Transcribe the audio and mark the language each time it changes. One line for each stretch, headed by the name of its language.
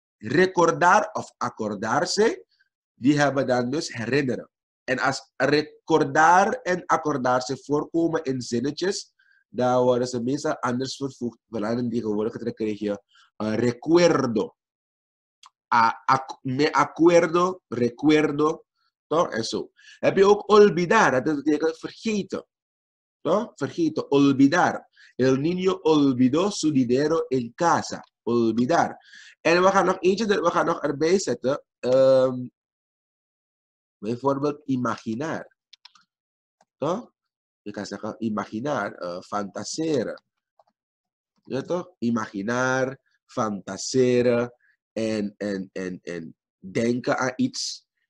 Dutch: recordar of accordarse, die hebben dan dus herinneren. En als recordar en accordarse voorkomen in zinnetjes, dan worden ze meestal anders vervoegd. Vooral in die gewoonlijke trek krijg je recuerdo.
Spanish: Me acuerdo, recuerdo,
Dutch: toch? En zo. Heb je ook olvidar, dat betekent vergeten. Toch? Vergeten, olvidar.
Spanish: El niño olvidó su dinero en casa. Olvidar.
Dutch: En we gaan nog eentje we gaan nog erbij zetten. Bijvoorbeeld imaginar. Toch? Je kan zeggen imaginar, fantaseren. Ja, toch? Imaginar, fantaseren en denken aan iets.